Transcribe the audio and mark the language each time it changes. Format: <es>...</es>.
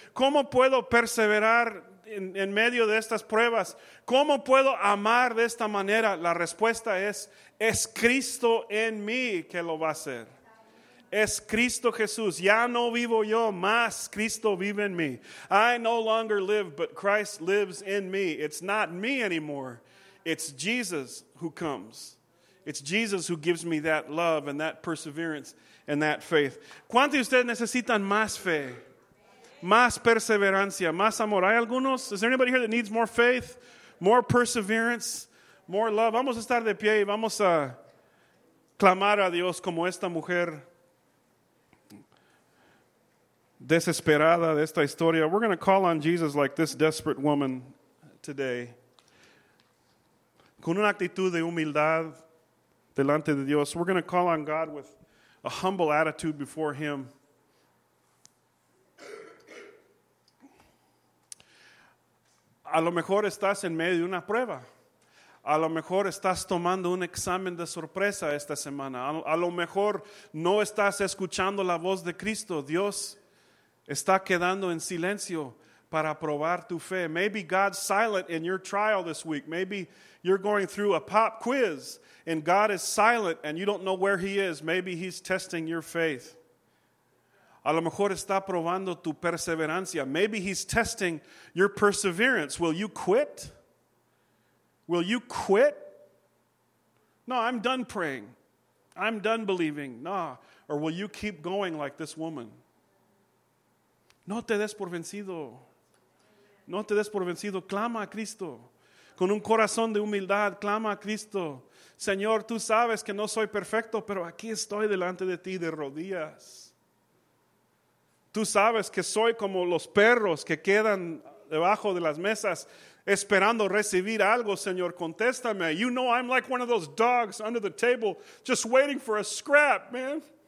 <es>¿Cómo puedo perseverar en medio de estas pruebas? ¿Cómo puedo amar de esta manera? La respuesta es Cristo en mí que lo va a hacer. Es Cristo Jesús. Ya no vivo yo, más Cristo vive en mí.</es> <en>I no longer live, but Christ lives in me. It's not me anymore. It's Jesus who comes. It's Jesus who gives me that love and that perseverance and that faith.</en> <es>¿Cuántos de ustedes necesitan más fe? Más perseverancia, más amor. ¿Hay algunos?</es> <en>Is there anybody here that needs more faith, more perseverance, more love?</en> <es>Vamos a estar de pie y vamos a clamar a Dios como esta mujer desesperada de esta historia.</es> <en>We're going to call on Jesus like this desperate woman today.</en> <es>Con una actitud de humildad delante de Dios.</es> <en>We're going to call on God with a humble attitude before him.</en> <es>A lo mejor estás en medio de una prueba. A lo mejor estás tomando un examen de sorpresa esta semana. A lo mejor no estás escuchando la voz de Cristo. Dios está quedando en silencio para probar tu fe.</es> <en>Maybe God's silent in your trial this week. Maybe you're going through a pop quiz and God is silent and you don't know where he is. Maybe he's testing your faith.</en> <es>A lo mejor está probando tu perseverancia.</es> <en>Maybe he's testing your perseverance. Will you quit? Will you quit? No, I'm done praying. I'm done believing. No. Or will you keep going like this woman?</en> <es>No te des por vencido. No te des por vencido. Clama a Cristo. Con un corazón de humildad, clama a Cristo. Señor, tú sabes que no soy perfecto, pero aquí estoy delante de ti de rodillas. Tú sabes que soy como los perros que quedan debajo de las mesas esperando recibir algo, Señor, contéstame.</es> <en>You know I'm like one of those dogs under the table just waiting for a scrap, man.</en>